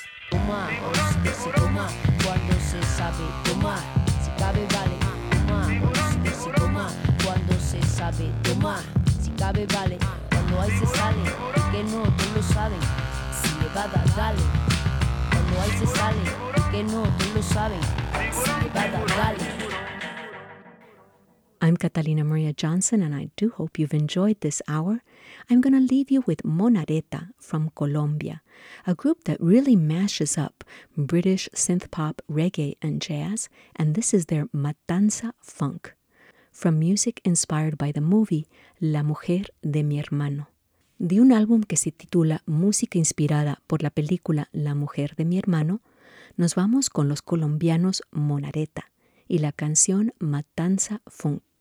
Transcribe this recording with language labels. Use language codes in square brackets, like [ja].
[es] Toma, cuando se dice, toma, cuando se sabe, toma, si cabe vale. Toma, cuando se dice, toma, cuando se sabe, toma, si cabe vale. Cuando hay se sale, y que no, no lo saben. Levada, dale. Cuando ahí se sale, que no, tú lo sabes. Levada, dale. [en] I'm Catalina Maria Johnson, and I do hope you've enjoyed this hour. I'm going to leave you with Mon Areta from Colombia, a group that really mashes up British synth pop, reggae, and jazz, and this is their Matanza Funk, from music inspired by the movie La Mujer de Mi Hermano. [es] De un álbum que se titula Música inspirada por la película La Mujer de Mi Hermano, nos vamos con los colombianos Mon Areta y la canción Matanza Funk.